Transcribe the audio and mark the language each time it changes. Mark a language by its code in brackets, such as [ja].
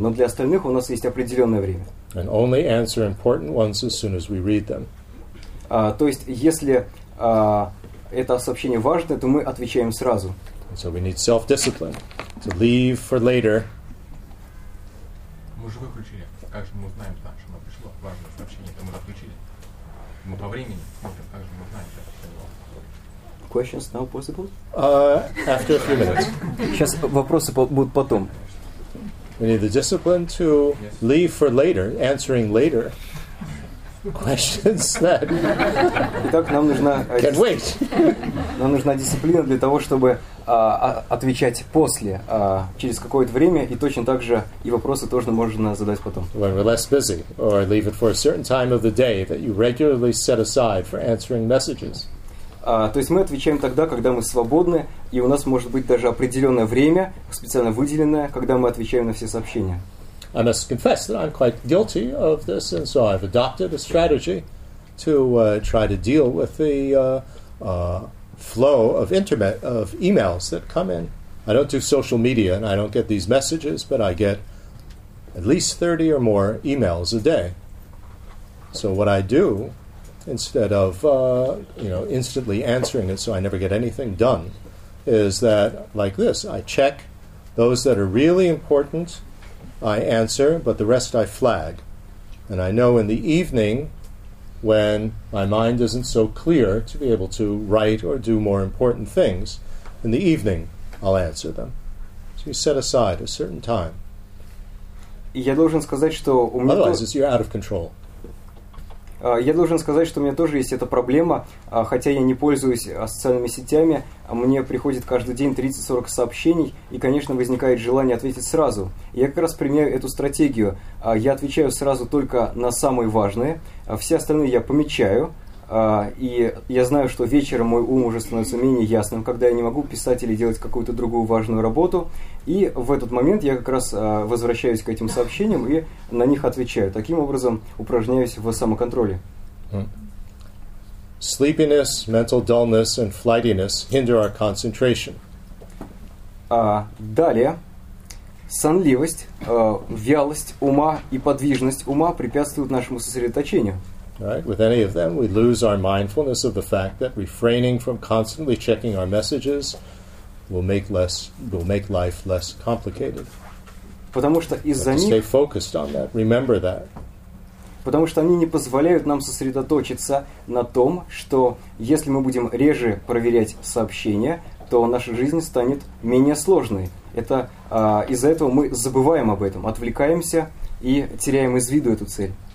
[ru] Но для остальных у нас есть определенное время. [en] And only answer important ones as soon as we read them. [ru] То есть, если это сообщение важное, то мы отвечаем сразу. [en] And so we need self-discipline to leave for later. [ru] Мы же выключили. Как же мы узнаем, да, что нам пришло важное сообщение? Это мы отключили. Мы по времени смотрим, как же мы узнаем, что пришло. [en] Questions now possible? After a few minutes. [ru] Сейчас вопросы будут потом. [en] We need the discipline to leave for later, answering later questions that [ru] Итак, нам нужна, [en] can wait. [ru] Нам нужна дисциплина для того, чтобы отвечать после, через какое-то время, и точно так же и вопросы тоже можно задать потом. [en] When we're less busy, or leave it for a certain time of the day that you regularly set aside for answering messages. [ru] То есть мы отвечаем тогда, когда мы свободны, и у нас может быть даже определенное время, специально выделенное, когда мы отвечаем на все сообщения. [en] I must confess that I'm quite guilty of this, and so I've adopted a strategy to try to deal with the flow of internet of emails that come in. I don't do social media, and I don't get these messages, but I get at least 30 or more emails a day. So what I do, instead of instantly answering it so I never get anything done, is that like this. I check those that are really important, I answer, but the rest I flag. And I know in the evening, when my mind isn't so clear to be able to write or do more important things, in the evening I'll answer them. So you set aside a certain time. [ru] Я должен сказать, что у меня [en] Otherwise, you're out of control. [ru] Я должен сказать, что у меня тоже есть эта проблема. Хотя я не пользуюсь социальными сетями, мне приходит каждый день 30-40 сообщений, и, конечно, возникает желание ответить сразу. Я как раз применяю эту стратегию. Я отвечаю сразу только на самые важные. Все остальные я помечаю. И я знаю, что вечером мой ум уже становится менее ясным, когда я не могу писать или делать какую-то другую важную работу. И в этот момент я как раз возвращаюсь к этим сообщениям и на них отвечаю. Таким образом упражняюсь в самоконтроле. [en] Sleepiness, mental dullness and flightiness hinder our concentration. [ru] Далее. Сонливость, вялость ума и подвижность ума препятствуют нашему сосредоточению. [en] Right? With any of them, we lose our mindfulness of the fact that refraining from constantly checking our messages will make life less complicated. [ru] Потому что из-за них... [en] Stay focused on that. Remember that. [ru] Потому что они не позволяют нам сосредоточиться на том, что если мы будем реже проверять сообщения, то наша жизнь станет менее сложной. Это из-за этого мы забываем об этом, отвлекаемся и теряем из виду эту цель.